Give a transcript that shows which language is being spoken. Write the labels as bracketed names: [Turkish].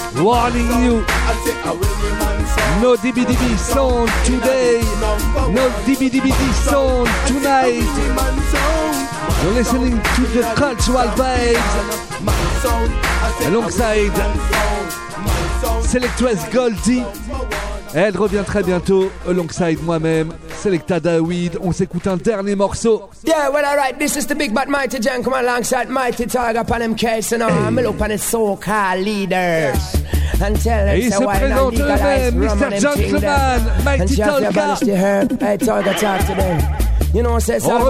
[English] Warning you, no DBDB song today, no DBDB song tonight. You're listening to the cultural vibes alongside Selectress Goldie. [French] Elle revient très bientôt [English] alongside [French] moi-même, Selecta Dawid. On s'écoute un dernier morceau. [English] Yeah, well, alright, this is the big bad mighty gentleman alongside Mighty Tiger upon them case, you know, I'm a look on the so-called leaders. And tell them, so why not legalize rum on them kingdom? And tell them about the herb, hey, Tiger talk to them. You know, say so,